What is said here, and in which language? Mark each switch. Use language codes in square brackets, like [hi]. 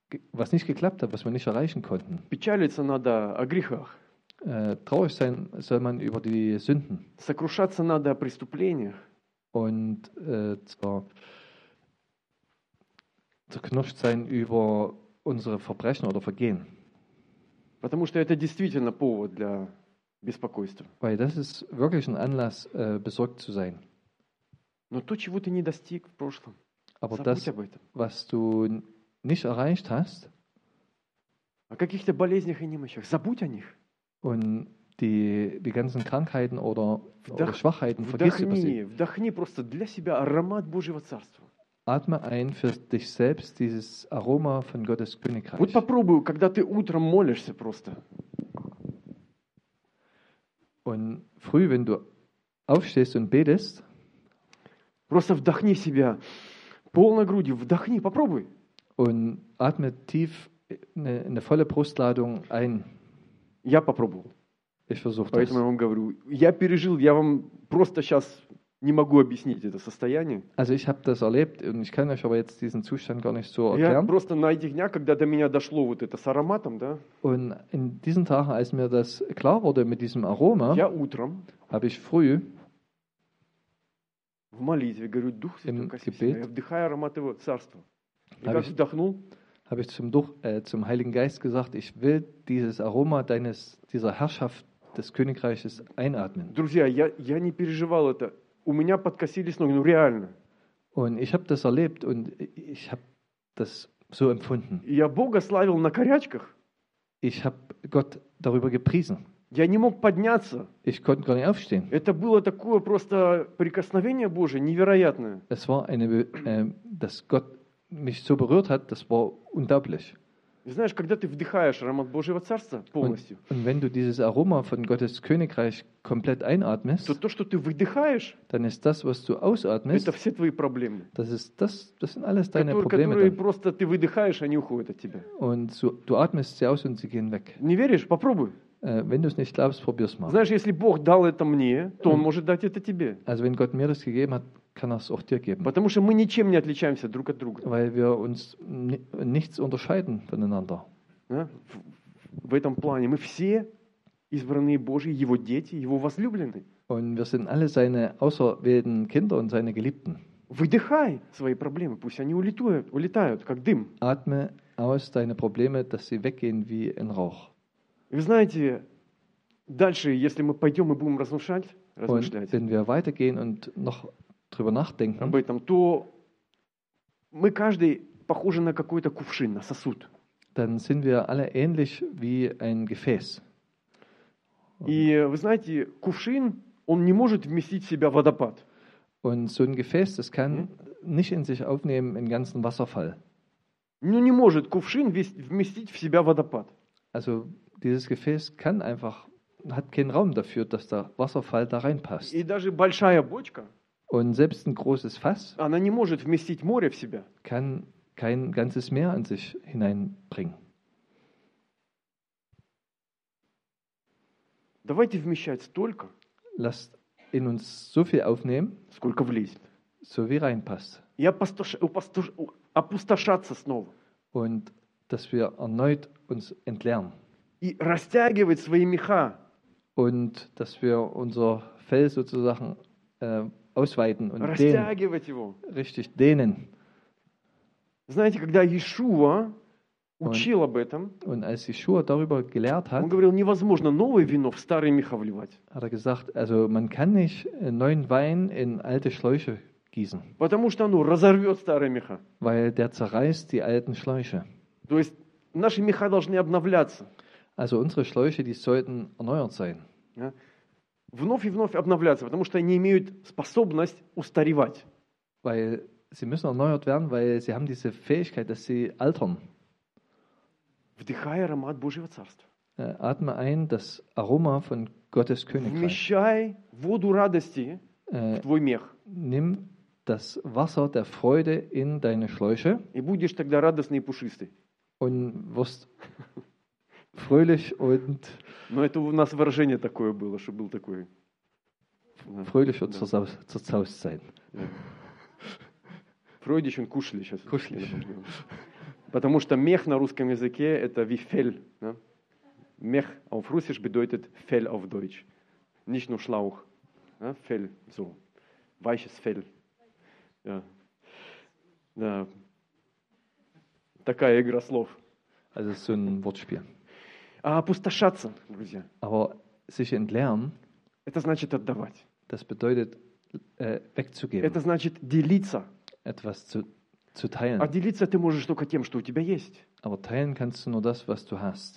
[de] Was nicht geklappt hat, was wir nicht erreichen konnten. [ru] Печалиться надо о грехах. [de] Traurig sein soll man über die Sünden. [ru] Сокрушаться надо о преступлениях. [de] Und zerknirscht sein über unsere Verbrechen oder Vergehen. [ru] Потому что это действительно повод для беспокойства. [de] Weil das ist wirklich ein Anlass, besorgt zu sein. [ru] Но то, чего ты не достиг в прошлом, [de] aber das, was du nicht erreicht hast, [ru] о каких-то болезнях и немощах, забудь о них. [de] Und die ganzen Krankheiten oder Schwachheiten, vergiss über sie. [ru] Вдохни просто для себя аромат Божьего Царства. [de] Atme ein für dich selbst dieses Aroma von Gottes Königreich. [ru] Вот попробую, когда ты утром молишься просто. [de] Und früh, wenn du aufstehst und betest, [ru] просто вдохни в себя полной грудью, вдохни, попробуй. [de] Und atme tief eine volle Brustladung ein. [ru] Я попробовал. [de] Ich versuch das. [ru] Поэтому я вам говорю, я пережил, я вам просто сейчас не могу объяснить это состояние. [de] Also ich habe das erlebt und ich kann euch aber jetzt diesen Zustand gar nicht so erklären. [ru] Я просто на этих днях, когда до меня дошло вот это с ароматом, да? [de] Und in diesen Tagen, als mir das klar wurde mit diesem Aroma, [ru] я утром, [de] habe ich früh [ru] в молитве говорю, Дух Святой, коси себя, я вдыхаю аромат его царства. И как вдохнул, [de] habe ich zum Heiligen Geist gesagt, ich will dieses Aroma dieser Herrschaft des Königreiches einatmen. [ru] Друзья, я не переживал это. У меня подкосились ноги, ну реально. [de] Und ich habe das erlebt und ich habe das so empfunden. [ru] Я Бога славил на корячках. [de] Ich habe Gott darüber gepriesen. [ru] Я не мог подняться. [de] Ich konnte gar nicht aufstehen. [ru] Это было такое просто прикосновение Божие невероятное. [de] Es war eine, dass Gott mich so berührt hat, das war unglaublich. [ru] Знаешь, когда ты вдыхаешь аромат Божьего Царства полностью, [de] und wenn du dieses Aroma von Gottes Königreich komplett einatmest, [ru] то, что ты выдыхаешь, [de] dann ist das, was du ausatmest, [ru] это все твои проблемы. [de] Das sind alles deine Probleme. [ru] Которые [de] dann. [ru] Просто ты выдыхаешь, они уходят от тебя. [de] Und so, du atmest sie aus und sie gehen weg. [ru] Не веришь? Попробуй. [de] Wenn du es nicht glaubst, probier's mal. [ru] Знаешь, если Бог дал это мне, то Он может дать это тебе. [de] Also wenn Gott mir das gegeben hat, kann er es auch dir geben. [ru] Потому что мы ничем не отличаемся друг от друга. [de] Weil wir uns nichts unterscheiden voneinander. Ja? [ru] В этом плане мы все избранные Божьи, Его дети, Его возлюбленные. [de] Und wir sind alle seine auserwählten Kinder und seine Geliebten. [ru] Выдыхай свои проблемы, пусть они улетают, как дым. [de] Atme aus deine Probleme, dass sie weggehen wie ein Rauch. [ru] Вы знаете, дальше, если мы пойдем и будем размышлять, [de] wenn wir weitergehen und noch drüber nachdenken, [ru] об этом, то мы каждый похожи на какой-то кувшин, на сосуд. [de] Dann sind wir alle ähnlich wie ein Gefäß. [ru] И вы знаете, кувшин, он не может вместить в себя водопад. [de] Und so ein Gefäß, das kann nicht in sich aufnehmen, einen ganzen Wasserfall. [ru] Ну не может кувшин вместить в себя водопад. [de] Also dieses Gefäß kann einfach, hat keinen Raum dafür, dass der Wasserfall da reinpasst. [ru] И даже большая бочка, [de] und selbst ein großes Fass, [ru] она не может вместить море в себя, [de] kann kein ganzes Meer an sich hineinbringen. [ru] Давайте вмещать столько, [de] lasst in uns so viel aufnehmen, [ru] сколько влезет, [de] so wie reinpasst. [ru] И опустошаться снова. [de] Und dass wir erneut uns entleeren. [ru] И растягивать свои меха. [de] Und dass wir unser Fell sozusagen ausweiten und [ru] растягивать [de] dehnen. [ru] Его. [de] Richtig dehnen. [ru] Знаете, когда Иешуа учил об этом, [de] und als Иешуа darüber gelehrt hat, [ru] он говорил, невозможно новое вино в старые меха вливать. [de] Hat er gesagt, also man kann nicht neuen Wein in alte Schläuche gießen. [ru] Потому что оно разорвет старые меха. [de] Weil der zerreißt die alten Schläuche. [ru] То есть наши меха должны обновляться. [de] Also unsere Schläuche, die sollten erneuert sein. Ja. [ru] Вновь и вновь обновляться, потому что они имеют способность устаревать. [de] Weil sie müssen erneuert werden, weil sie haben diese Fähigkeit, dass sie altern. [ru] Вдихай аромат Божьего царства. [de] Atme ein das Aroma von Gottes Königreich. [ru] Вмещай воду радости в твой мех. [de] Nimm das Wasser der Freude in deine Schläuche. [ru] И будешь тогда радостный и пушистый. [de] Und wirst fröhlich und. [ru] Но это у нас выражение такое было, что был такой. [de] Fröhlich und zerzaust sein. Freudig und kuschelig. Kuschelig. [ru] Потому что мех на русском языке это [de] wie Fell. Ne? Мех auf Russisch bedeutet Fell auf Deutsch. Nicht nur Schlauch. Ne? Fell, so. Weiches Fell. Ja. Ja. [ru] Такая игра слов. [de] Also so ein Wortspiel. [ru] Опустошаться, друзья. [de] Aber sich entleeren. [ru] Это значит отдавать. [de] Das bedeutet wegzugeben. [ru] Это значит делиться. [de] Etwas zu teilen. [ru] А делиться ты можешь только тем, что у тебя есть. [de] Aber teilen kannst du nur das, was du hast.